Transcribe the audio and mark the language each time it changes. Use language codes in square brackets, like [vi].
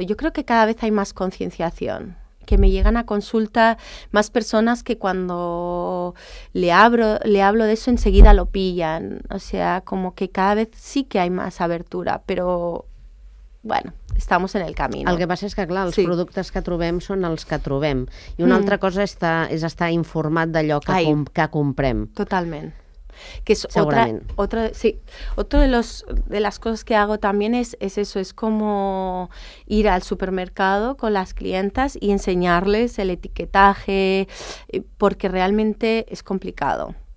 [es] Yo creo que cada vez hay más concienciación. Que me llegan a consulta más personas que cuando le hablo de eso enseguida lo pillan. O sea, como que cada vez sí que hay más abertura, pero bueno, estamos en el camino. [ca] El que passa és que, clar, els productes que trobem són els que trobem. I una altra cosa és estar informat d'allò que comprem. Totalment. [es] Que es otra de las cosas que hago también es eso, es como ir al supermercado con las clientas y enseñarles el etiquetaje, porque realmente es complicado.